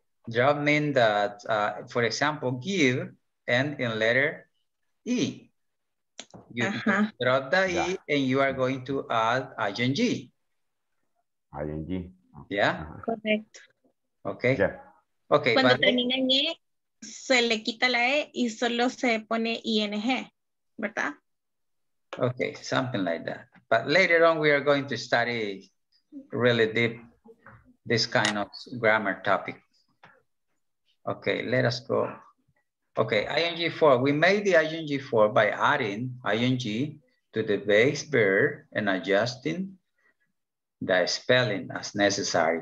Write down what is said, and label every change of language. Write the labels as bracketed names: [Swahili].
[English] Drop mean that, for example, give and in letter E. You drop the E and you are going to add ING. ING. Yeah? Correct. Okay. Yeah. Okay, [Spanish] cuando termina en E, se le quita la E y solo se pone ING, ¿verdad? [English] Okay, something like that. But later on, we are going to study really deep this kind of grammar topic. Okay, let us go. Okay, ING4. We made the ING4 by adding ING to the base bear and adjusting the spelling as necessary.